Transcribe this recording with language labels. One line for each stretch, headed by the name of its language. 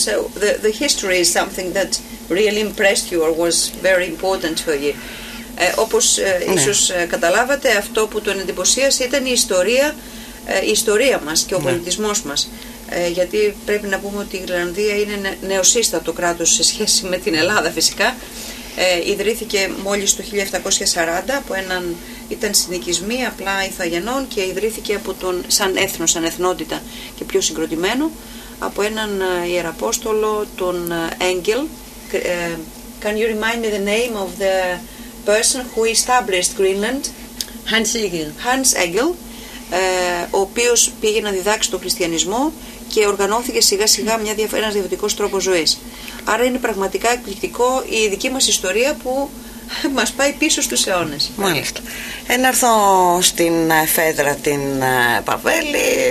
English: So the history is something that really impressed you or was very important for you.
Greek: Όπως ίσως καταλάβατε, αυτό που τον εντυπωσίασε ήταν η ιστορία μας και ο πολιτισμός μας. Γιατί πρέπει να πούμε ότι η Γρυλανδία είναι νεοσύστατο κράτος σε σχέση με την Ελλάδα, φυσικά. Ιδρύθηκε μόλις το 1740 από έναν, ήταν συνοικισμοί απλά Ιθαγενών και ιδρύθηκε από τον, σαν έθνο, σαν εθνότητα και πιο συγκροτημένο, από έναν Ιεραπόστολο, τον Έγγελ.
English: Can you remind me the name of the person who established Greenland? Hans Egil,
Greek: ο οποίος πήγε να διδάξει τον χριστιανισμό και οργανώθηκε σιγά σιγά ένας διαφορετικός τρόπος ζωής. Άρα είναι πραγματικά εκπληκτικό η δική μας ιστορία που μας πάει πίσω στους αιώνες. Μάλιστα. Να έρθω στην Φέδρα την Παβέλη.